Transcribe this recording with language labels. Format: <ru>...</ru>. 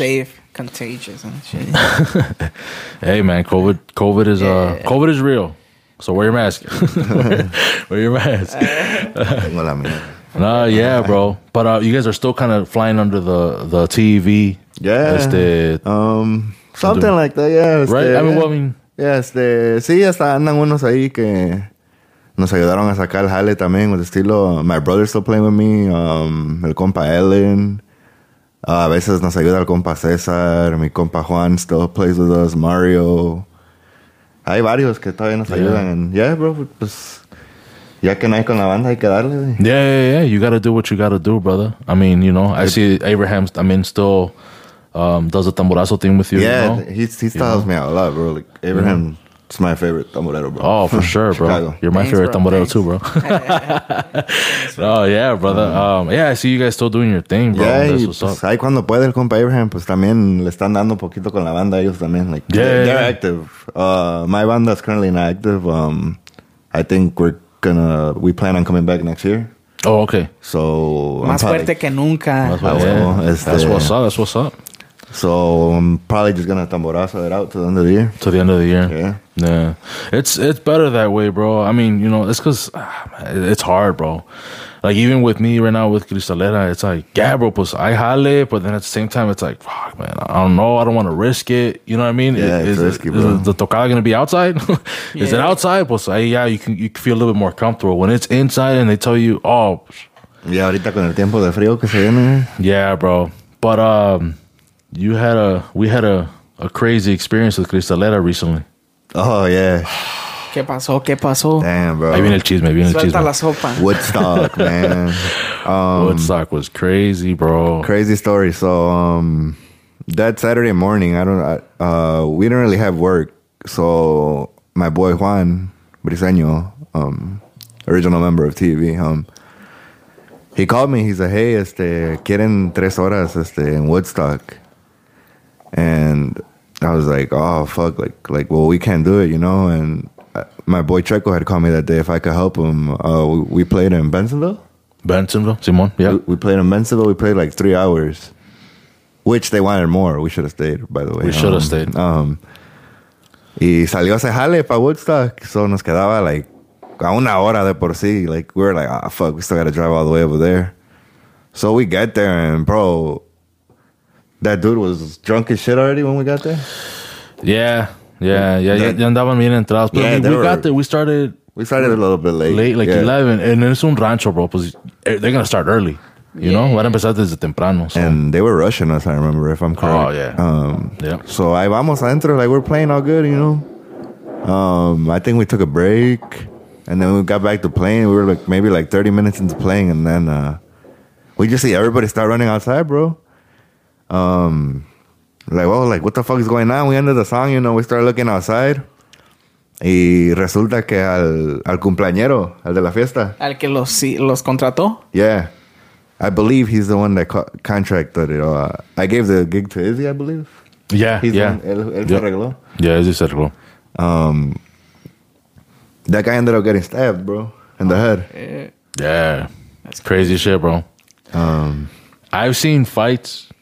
<en>More safe. Contagious and shit. Hey man, COVID is COVID is real. So wear your mask. Wear your mask. yeah, bro. But you guys are still kind of flying under the TV. Yeah. Something like that. Yeah. Right.</en> <es>Sí, andan unos ahí que nos ayudaron a sacar el jale también con estilo.</es> <en>My brother's still playing with me. El compa Ellen.</en> <es>A veces nos ayuda el compa César, mi compa Juan</es> <en>still plays with us,</en> <es>Mario. Hay varios que todavía nos ayudan.</es> <en>And yeah, bro,</en> <es>pues, ya que no hay con la banda, hay que darle.</es> <en>Yeah. You gotta do what you gotta do, brother. I mean, you know, I see Abraham, I mean, still does the tamborazo thing with you. Yeah, you know? He styles me out a lot, bro. Like, Abraham... Yeah. It's my favorite tamborero, bro. Oh, for sure, bro. Chicago. You're my favorite tamborero too, bro. Oh, yeah, brother. Yeah, I see you guys still doing your thing, bro.</en> <es>Yeah, pues, ahí cuando puede el compa Abraham, pues también le están dando un poquito con la banda ellos también.</es> <en>Like, they're active. My banda is currently not active. I think we plan on coming back next year. Oh, okay. So</en> <es>más fuerte que nunca.</es> <en>That's what's up. So I'm probably just gonna tamborazo it out to the end of the year. To the end of the year. Yeah. It's better that way, bro. I mean, you know, it's because it's hard, bro. Like, even with me right now with Cristalera, it's like, yeah, bro, pues, I jale, but then at the same time, it's like, fuck, man, I don't know. I don't want to risk it. You know what I mean? Yeah, it's risky, bro. Is the tocada going to be outside? Is it outside? Pues, you can feel a little bit more comfortable. When it's inside and they tell you, oh.</en> <es>Yeah, ahorita con el tiempo de frío que se viene.</es> <en>Yeah, bro. But we had a crazy experience with Cristalera recently. Oh, yeah.</en> <es>¿Qué pasó? ¿Qué pasó?</es> <en>Damn, bro.</en> <es>Ahí viene el chisme. Viene suelta el chisme. La sopa.</es> <en>Woodstock, man. Woodstock was crazy, bro. Crazy story. So, that Saturday morning, we didn't really have work. So, my boy Juan Briseño, original member of TV, he called me. He's like, hey,</en> <es>quieren 3 horas</es> <en>in Woodstock. And I was like, oh, fuck. Like, well, we can't do it, you know? And my boy Checo had called me that day if I could help him. We played in Bensonville. Bensonville, Simon, yeah. We played in Bensonville. We played like 3 hours, which they wanted more. We should have stayed, by the way. We should have stayed.</en> <es>Y salió ese jale para Woodstock. So nos quedaba like a una hora de por sí.</es> <en>Like, we were like, oh, fuck, we still got to drive all the way over there. So we get there and, bro, that dude was drunk as shit already when we got there. Yeah.</en> <es>Andaban bien entrados.</es> <en>But yeah, we started a little bit late. Late, like 11. And it's</en> <es>un rancho,</es> <en>bro. Pues they're going to start early. You know?</en> <es>Van a empezar desde temprano. So.</es> <en>And they were rushing us, I remember, if I'm correct. Oh, yeah. So</en> <es>ahí vamos adentro.</es> <en>Like, we're playing all good, you know? I think we took a break. And then we got back to playing. We were like maybe like 30 minutes into playing. And then we just see everybody start running outside, bro. Like, what the fuck is going on? We ended the song, you know, we started looking outside.</en> <es>Y resulta que al cumpleañero, al de la fiesta. Al que los contrató?</es> <en>Yeah. I believe he's the one that contracted it. I gave the gig to Izzy, I believe. Yeah, he's yeah.</en> <es>Él se arregló. Yeah, Izzy se arregló.</es> <en>That guy ended up getting stabbed, bro, in the head. Yeah. That's crazy shit, bro. I've seen fights.</en>